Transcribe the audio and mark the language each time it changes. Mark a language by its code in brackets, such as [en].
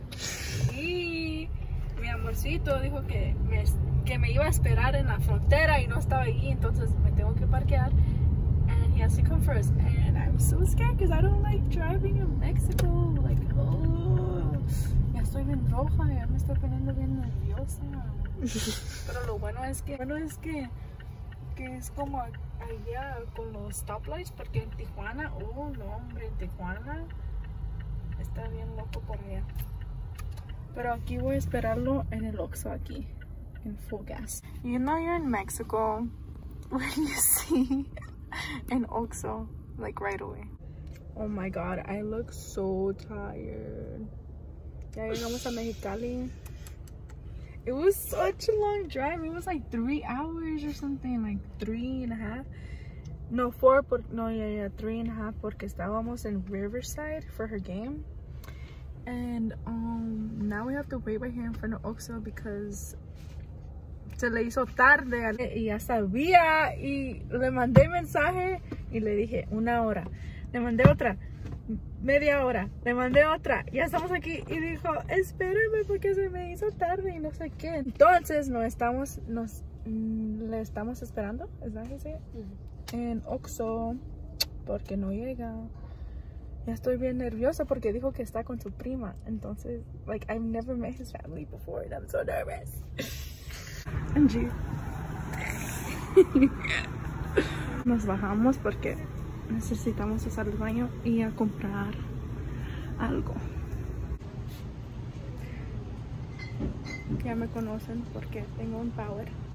[es] Sí, mi amorcito dijo que me iba a esperar en la frontera y no estaba ahí, entonces me tengo que parquear. [en] And he has to come first. And I'm so scared because I don't like driving in Mexico. [es] Like, oh, ya estoy bien roja, ya me estoy poniendo bien nerviosa. Pero lo bueno es que es como allá con los stoplights, porque en Tijuana, oh no hombre, en Tijuana está bien loco por allá. Pero aquí voy a esperarlo en el Oxxo aquí, [en] in full gas. You know you're in Mexico when you see an OXXO like right away. Oh my god, I look so tired. [es] Ya llegamos a Mexicali. [en] It was such a long drive. It was like 3 hours or something, like 3.5. [es] No, 4, por, no, [en] yeah, yeah, 3.5, [es] porque estábamos [en] in Riverside for her game. And now we have to wait right here in front of OXXO because [es] se le hizo tarde. Y ya sabía, y le mandé mensaje, y le dije, 1 hora. Le mandé otra, 1/2 hora. Le mandé otra, ya estamos aquí. Y dijo, espérame porque se me hizo tarde y no sé qué. Entonces, no estamos, nos, le estamos esperando, ¿es verdad que sí? En OXXO porque no llega. Ya estoy bien nerviosa porque dijo que está con su prima. Entonces, [en] like, I've never met his family before and I'm so nervous. Angie. [es] Nos bajamos porque necesitamos usar el baño y a comprar algo. Ya me conocen porque tengo un power.